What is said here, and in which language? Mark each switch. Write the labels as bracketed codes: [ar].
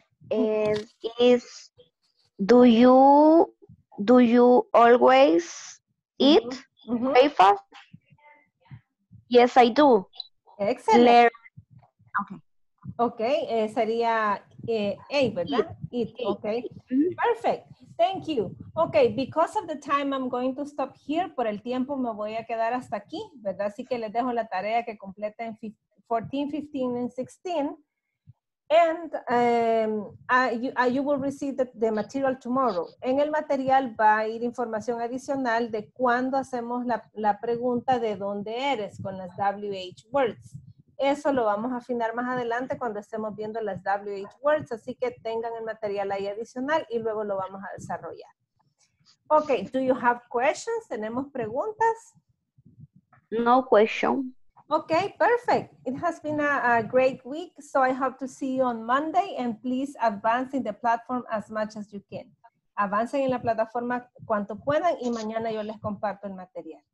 [en] Is do you always eat breakfast? Yes, I do. Excellent. Okay. [es] Sería A, ¿verdad? Eat. Okay. Mm-hmm. Perfect. Thank you. [en] Okay, because of the time, I'm going to stop here. [es] Por el tiempo me voy a quedar hasta aquí, ¿verdad? Así que les dejo la tarea que completen 14, 15, and 16. [en] And you will receive the material tomorrow. [es] En el material va a ir información adicional de cuándo hacemos la pregunta de dónde eres con las WH words. Eso lo vamos a afinar más adelante cuando estemos viendo las WH words. Así que tengan el material ahí adicional y luego lo vamos a desarrollar. [en] Ok, do you have questions? [es] ¿Tenemos preguntas? [en] No question. Okay, perfect. It has been a great week, so I hope to see you on Monday, and please advance in the platform as much as you can. [es] Avancen en la plataforma cuanto puedan y mañana yo les comparto el material.